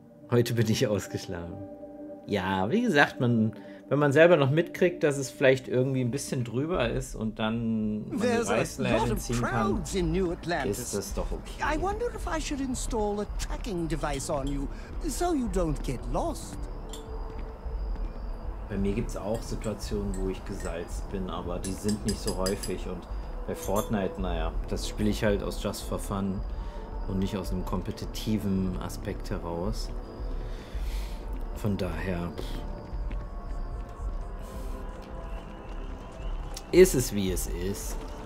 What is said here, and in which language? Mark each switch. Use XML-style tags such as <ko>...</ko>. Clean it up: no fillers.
<de>Heute bin ich ausgeschlafen. Ja, wie gesagt, wenn man selber noch mitkriegt, dass es vielleicht irgendwie ein bisschen drüber ist und dann man die Reißleine ziehen kann, ist das doch okay.</de> <en>I wonder if I should install a tracking device on you, so you don't get lost.</en> <de>Bei mir gibt es auch Situationen, wo ich gesalzt bin, aber die sind nicht so häufig. Und bei Fortnite, naja, das spiele ich halt aus Just for Fun und nicht aus einem kompetitiven Aspekt heraus. Von daher ist es, wie es ist.</de>